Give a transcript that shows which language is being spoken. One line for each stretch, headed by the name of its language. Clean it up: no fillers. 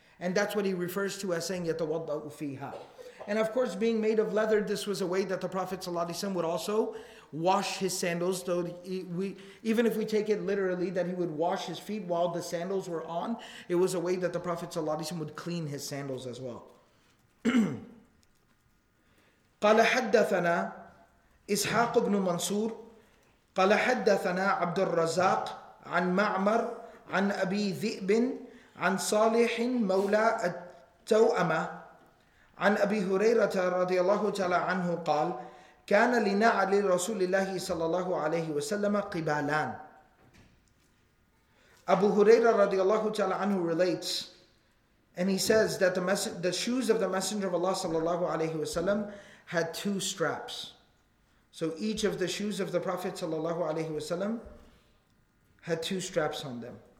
English: And that's what he refers to as saying,
Arabic: يَتَوَضَّأُ فِيهَا.
English: And of course, being made of leather, this was a way that the Prophet ﷺ would also wash his sandals, though even if we take it literally that he would wash his feet while the sandals were on, it was a way that the Prophet ﷺ would clean his sandals as well.
Arabic: قال حدثنا إسحاق بن منصور قال حدثنا عبد الرزاق عن معمر عن أبي ذئب عن صالح مولى التوأمة عن أبي هريرة رضي الله تعالى عنه قال كان لنا على رسول الله صلى الله عليه وسلم قبالان.
English: Abu Huraira radiallahu ta'ala anhu relates, and he says that the shoes of the Messenger of Allah sallallahu alayhi wasallam had two straps. So each of the shoes of the Prophet sallallahu alayhi wasallam had two straps on them.